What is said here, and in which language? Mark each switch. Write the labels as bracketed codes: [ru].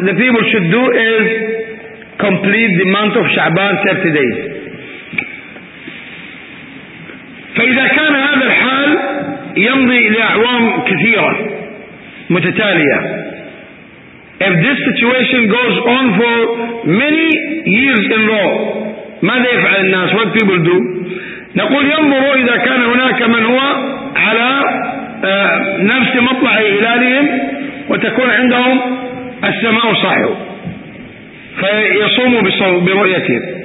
[en] the people should do is complete the month of Sha'ban 30 days. [ar] فإذا كان هذا الحال يمضي لأعوام كثيرة متتالية. [en] If this situation goes on for many years in row, [ar] ماذا يفعل الناس؟ [en] What people do? [ar] نقول ينظروا إذا كان هناك من هو على نفس مطلع هلالهم وتكون عندهم السماء صاحب فيصوموا برؤيتهم.